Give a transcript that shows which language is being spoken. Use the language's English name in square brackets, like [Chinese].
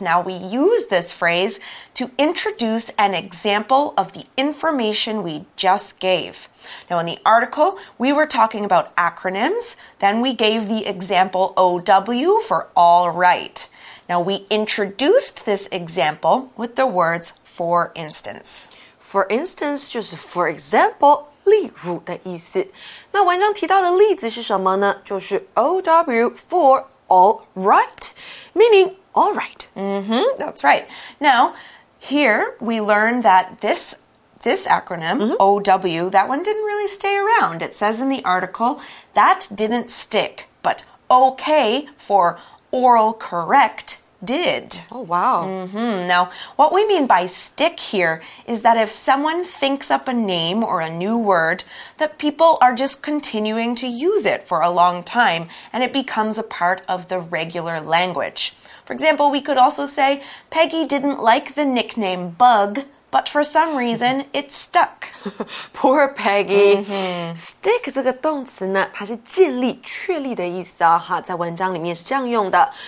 [English] Now we use this phrase to introduce an example of the information we just gave. Now in the article, we were talking about acronyms, then we gave the example OW for all right. Now we introduced this example with the words for instance. For instance, [Chinese] 就是 [English] for example, [Chinese] 例如的意思。那文章提到的例子是什么呢？就是 [English] OW for all right, meaning all right. Mm-hmm, that's right. Now, here we learn that this acronym, mm-hmm. OW, that one didn't really stay around. It says in the article, that didn't stick, but OK for oral correct,did. Oh, wow. Mm-hmm. Now, what we mean by stick here is that if someone thinks up a name or a new word, that people are just continuing to use it for a long time and it becomes a part of the regular language. For example, we could also say, Peggy didn't like the nickname Bug, but for some reason, it stuck. Poor Peggy. Mm-hmm. [Chinese] Stick 这个动词呢，它是建立、确立的意思啊，哈，在文章里面是这样用的。